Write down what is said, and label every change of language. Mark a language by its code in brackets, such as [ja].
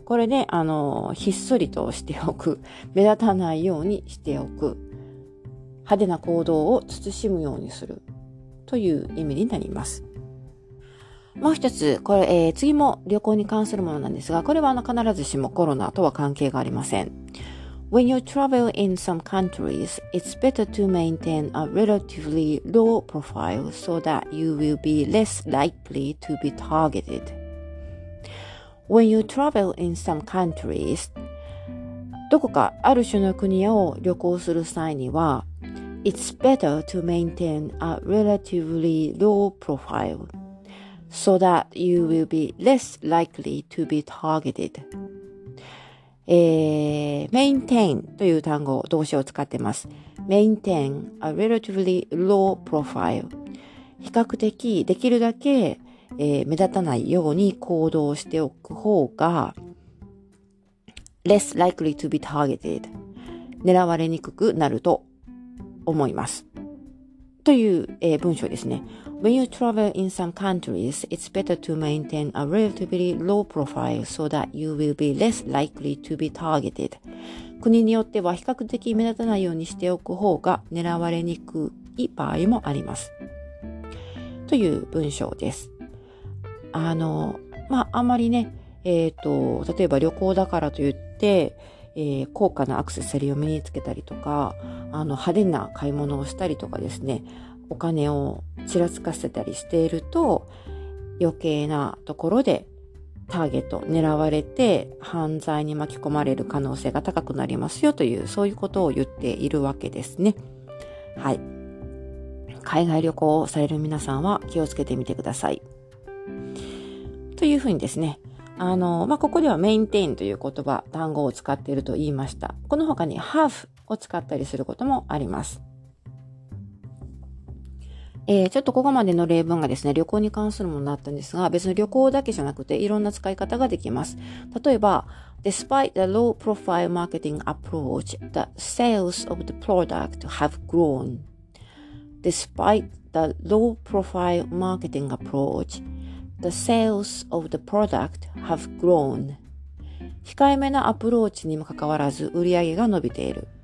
[ja] これで、ひっそりとしておく。目立たないようにしておく。派手な行動を慎むようにする。という意味になります。もう一つ、これ、次も旅行に関するものなんですが、これは必ずしもコロナとは関係がありません。 [en] When you travel in some countries, it's better to maintain a relatively low profile so that you will be less likely to be targeted. When you travel in some countries, [ja] どこかある種の国を旅行する際には、 [en] it's better to maintain a relatively low profile so that you will be less likely to be targeted. [ja] maintain という単語、動詞を使ってます。 [en] maintain a relatively low profile。 [ja] 比較的できるだけ、目立たないように行動しておく方が [en] less likely to be targeted、 [ja] 狙われにくくなると思います。という、文章ですね。 [en] When you travel in some countries, it's better to maintain a relatively low profile so that you will be less likely to be targeted. [ja] 国によっては比較的目立たないようにしておく方が狙われにくい場合もあります。という文章です。あまりね、例えば旅行だからといって、高価なアクセサリーを身につけたりとか、派手な買い物をしたりとかですね、お金をちらつかせたりしていると、余計なところでターゲット狙われて犯罪に巻き込まれる可能性が高くなりますよという、そういうことを言っているわけですね。はい。海外旅行をされる皆さんは気をつけてみてください。というふうにですね、ここではメインテインという言葉、単語を使っていると言いました。この他にハーフを使ったりすることもあります。ちょっとここまでの例文がですね、旅行に関するものだったんですが、別に旅行だけじゃなくていろんな使い方ができます。 [en] 例えば、Despite the low profile marketing approach, the sales of the product have grown. Despite the low profile marketing approach,The sales of the product have grown. [ja] 控えめなアプローチにもかかわらず売り上げが伸びている。